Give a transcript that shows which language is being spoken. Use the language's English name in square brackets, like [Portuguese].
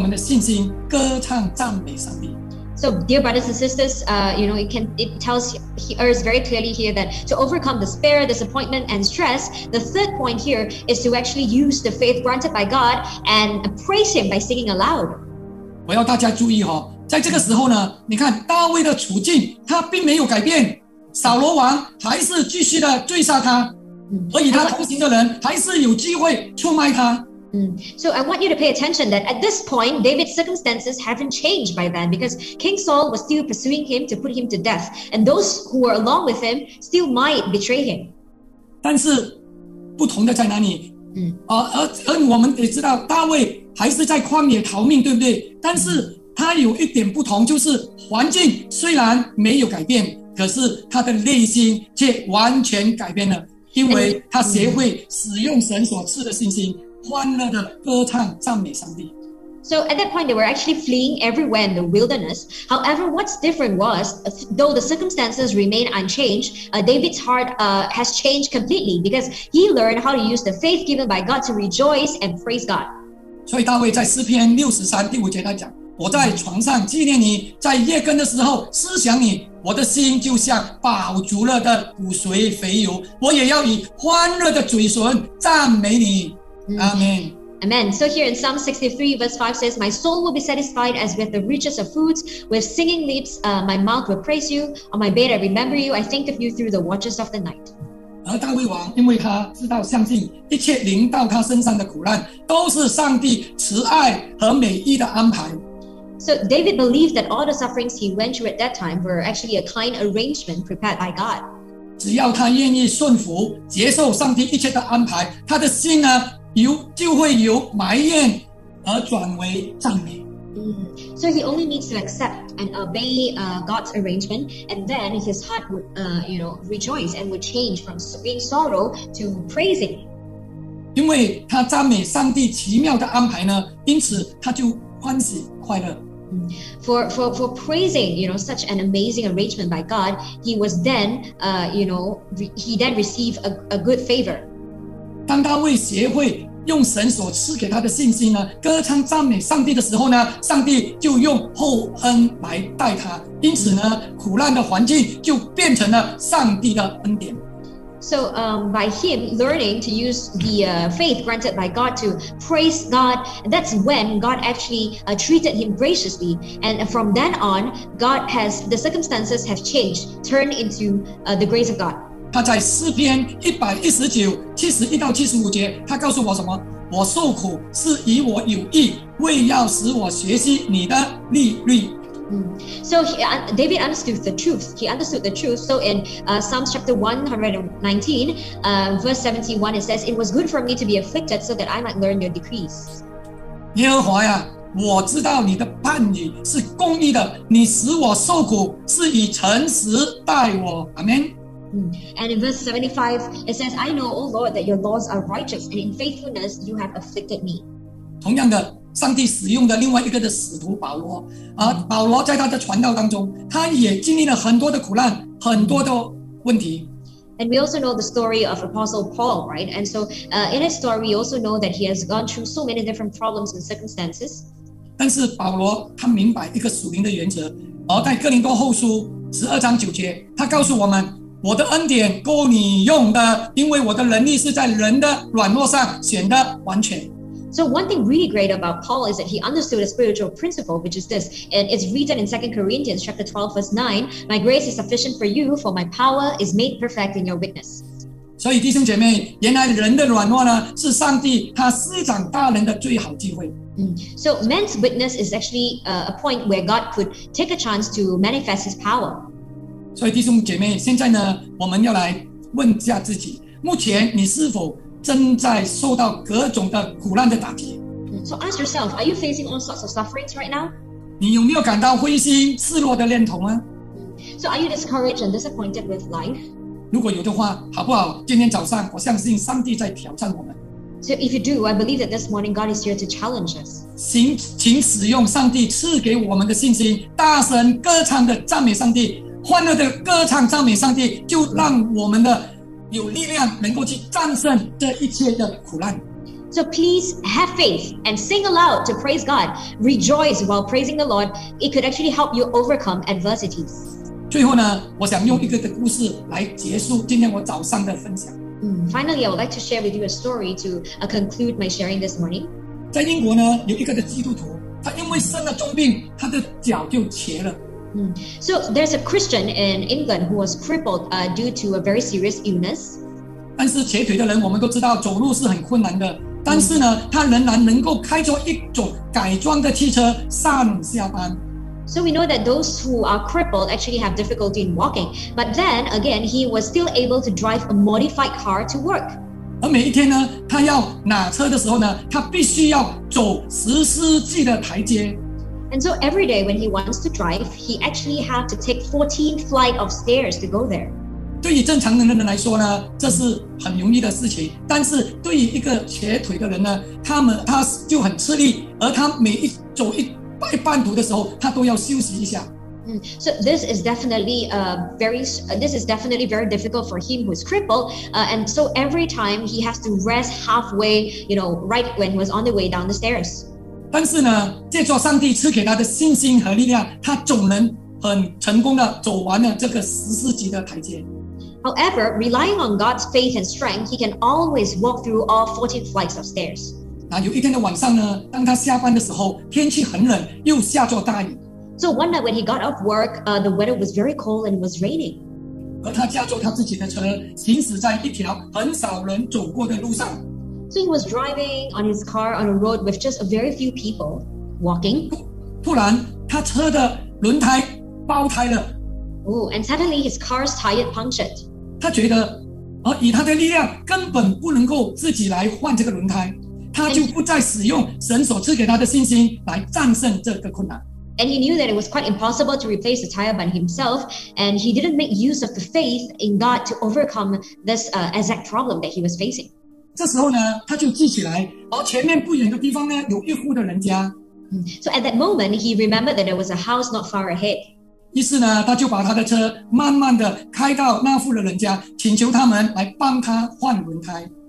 [Chinese] 所以，亲爱的弟兄姐妹，可见战胜灰心绝望压力的第三个秘诀，就是在于使用神给我们的信心，歌唱赞美上帝。 [English] So, dear brothers and sisters, you know, it tells us very clearly here that to overcome despair, disappointment, and stress, the third point here is to actually use the faith granted by God and praise Him by singing aloud. [Chinese] 我要大家注意哦，在这个时候呢，你看大卫的处境，他并没有改变。扫罗王还是继续的追杀他，而与他同行的人还是有机会出卖他。 [English] So I want you to pay attention that at this point, David's circumstances haven't changed by then because King Saul was still pursuing him to put him to death, and those who were along with him still might betray him. [Chinese] 但是不同的在哪里？而我们也知道大卫还是在旷野逃命，对不对？但是他有一点不同，就是环境虽然没有改变。 可是他的内心却完全改变了。因为他学会使用神所赐的信心，欢乐的歌唱赞美上帝。 [English] So at that point, they were actually fleeing everywhere in the wilderness. However, what's different was, though the circumstances remain unchanged, David's heart has changed completely because he learned how to use the faith given by God to rejoice and praise God. [Chinese] 所以大卫在诗篇六十三第五节他讲，我在床上纪念你，在夜更的时候思想你，我的心就像饱足了的骨髓肥油，我也要以欢乐的嘴唇赞美你。 [English] Amen. Amen. So here in Psalm 63 verse 5 says, my soul will be satisfied as with the richest of foods. With singing lips, my mouth will praise you. On my bed, I remember you. I think of you through the watches of the night. [Chinese] 而大卫王因为他知道相信一切临到他身上的苦难都是上帝慈爱和美意的安排。 [English] So David believed that all the sufferings he went through at that time were actually a kind arrangement prepared by God. [Chinese] 只要他愿意顺服接受上帝一切的安排，他的心呢就会由埋怨而转为赞美。 [English] So he only needs to accept and obey God's arrangement, and then his heart would, rejoice and would change from being sorrow to praising. [Chinese] 因为他赞美上帝奇妙的安排呢，因此他就欢喜快乐。 [English] For praising, such an amazing arrangement by God, he was then, he then received a good favor. [Chinese] 当大卫学会用神所赐给他的信心呢，歌唱赞美上帝的时候呢，上帝就用厚恩来待他，因此呢，苦难的环境就变成了上帝的恩典。 [English] So, by him learning to use the faith granted by God to praise God, that's when God actually treated him graciously. And from then on, God has the circumstances have changed, turned into the grace of God. [Chinese] 他在诗篇119 71-75节他告诉我什么，我受苦是以我有益，为要使我学习你的律例。 [English] So David understood the truth. He understood the truth. So in Psalms chapter 119, verse 71, it says, it was good for me to be afflicted so that I might learn your decrees. [Chinese] 耶和华呀，我知道你的判语是公义的，你使我受苦是以诚实待我。 [English] Amen. And in verse 75, it says, I know, O Lord, that your laws are righteous, and in faithfulness you have afflicted me. [Chinese] 同样的，上帝使用的另外一个的使徒保罗，保罗在他的传道当中，他也经历了很多的苦难，很多的问题。 [English] And we also know the story of Apostle Paul, right? And so, in his story, we also know that he has gone through so many different problems and circumstances. [Chinese] 但是保罗他明白一个属灵的原则，而在哥林多后书12:9，他告诉我们。我的恩典够你用的，因为我的能力是在人的软弱上显得完全。 [English] So one thing really great about Paul is that he understood a spiritual principle, which is this, and it's written in 2 Corinthians chapter 12, verse 9, My grace is sufficient for you, for my power is made perfect in your weakness. [Chinese] 所以弟兄姐妹，原来人的软弱呢，是上帝他施展大能的最好机会。 [English] So man's weakness is actually a point where God could take a chance to manifest his power. [Chinese] 所以弟兄姐妹，现在呢，我们要来问一下自己，目前你是否正在受到各种的苦难的打击？ [English] So ask yourself, are you facing all sorts of sufferings right now? [Chinese] 你有没有感到灰心、失落的念头吗？ [English] So are you discouraged and disappointed with life? [Chinese] 如果有的话，好不好？今天早上，我相信上帝在挑战我们。 [English] So if you do, I believe that this morning God is here to challenge us. [Chinese] 请使用上帝赐给我们的信心，大声歌唱的赞美上帝。欢乐的歌唱赞美上帝，就让我们的有力量能够去战胜这一切的苦难。 [English] So please have faith and sing aloud to praise God. Rejoice while praising the Lord. It could actually help you overcome adversities. [Chinese] 最后呢，我想用一个的故事来结束今天我早上的分享。 [English] Finally, I would like to share with you a story to conclude my sharing this morning. [Chinese] 在英国呢，有一个的基督徒，他因为生了重病，他的脚就瘸了。 [English] So there's a Christian in England who was crippled due to a very serious illness. [Chinese] 但是瘸腿的人我们都知道走路是很困难的，但是呢，他仍然能够开着一种改装的汽车上下班。 [English] So we know that those who are crippled actually have difficulty in walking, but then again, he was still able to drive a modified car to work. [Chinese] 而每一天呢，他要拿车的时候呢，他必须要走十世纪的台阶。 [English] And so every day when he wants to drive, he actually had to take 14 flights of stairs to go there. [Chinese] 对于正常的人来说呢，这是很容易的事情，但是对于一个瘸腿的人呢，他就很吃力，而他每一走一拜半途的时候，他都要休息一下。 [English] So this is definitely very difficult for him who is crippled. And so every time he has to rest halfway, you know, right when he was on the way down the stairs. [Chinese] 但是呢，借助上帝赐给他的信心和力量，他总能很成功的走完了这个14级的台阶。 [English] However, relying on God's faith and strength, he can always walk through all 14 flights of stairs. [Chinese] 那有一天的晚上呢，当他下班的时候，天气很冷，又下着大雨。 [English] So one night when he got off work, the weather was very cold and it was raining. [Chinese] 而他驾着他自己的车，行驶在一条很少人走过的路上。 [English] So he was driving on his car on a road with just a very few people walking. [Chinese] 突然，他车的轮胎爆胎了。 [English] Oh, and suddenly his car's tire punctured. [Chinese] 他觉得，以他的力量根本不能够自己来换这个轮胎，他就不再使用神所赐给他的信心来战胜这个困难。 [English] And he knew that it was quite impossible to replace the tire by himself, and he didn't make use of the faith in God to overcome this exact problem that he was facing. [Chinese] 这时候呢，他就记起来，前面不远的地方呢，有一户的人家。 [English] So at that moment, he remembered that there was a house not far ahead. [Chinese] 于是呢，他就把他的车慢慢地开到那户的人家，请求他们来帮他换轮胎。